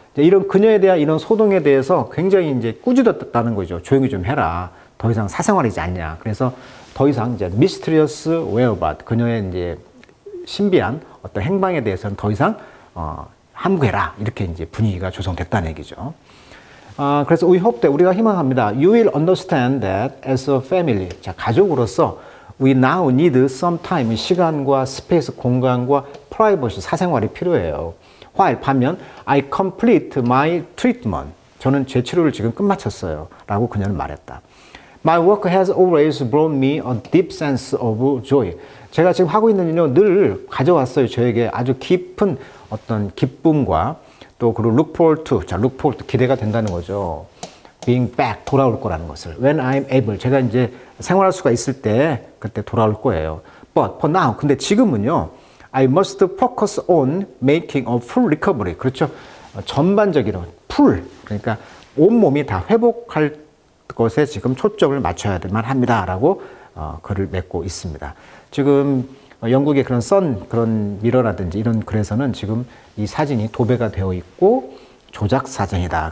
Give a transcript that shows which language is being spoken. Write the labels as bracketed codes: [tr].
[ko] 이런 그녀에 대한 이런 소동에 대해서 굉장히 이제 꾸짖었다는 거죠. 조용히 좀 해라. 더 이상 사생활이지 않냐. 그래서 더 이상 이제 [en] mysterious whereabouts, [ko] 그녀의 이제 신비한 어떤 행방에 대해서는 더 이상 함구해라. 이렇게 이제 분위기가 조성됐다는 얘기죠. 그래서 [en] we hope that, [ko] 우리가 희망합니다. [en] You will understand that as a family, [ko] 자, 가족으로서 [en] we now need some time, [ko] 시간과 스페이스, 공간과 [en] privacy, [ko] 사생활이 필요해요. [en] While, [ko] 반면, [en] I complete my treatment. [ko] 저는 제 치료를 지금 끝마쳤어요. 라고 그녀는 말했다. [en] My work has always brought me a deep sense of joy. [ko] 제가 지금 하고 있는 일은 늘 가져왔어요. 저에게 아주 깊은 어떤 기쁨과 또 그리고 [en] look forward to, 자, look forward to [ko] 기대가 된다는 거죠. [en] Being back, [ko] 돌아올 거라는 것을. [en] When I'm able, [ko] 제가 이제 생활할 수가 있을 때 그때 돌아올 거예요. [en] But for now, [ko] 근데 지금은요. [en] I must focus on making a full recovery. [ko] 그렇죠. 전반적으로 full. 그러니까 온몸이 다 회복할 것에 지금 초점을 맞춰야 될만 합니다. 라고 글을 맺고 있습니다. 지금 영국의 그런 선, 그런 미러라든지 이런 글에서는 지금 이 사진이 도배가 되어 있고 조작 사진이다.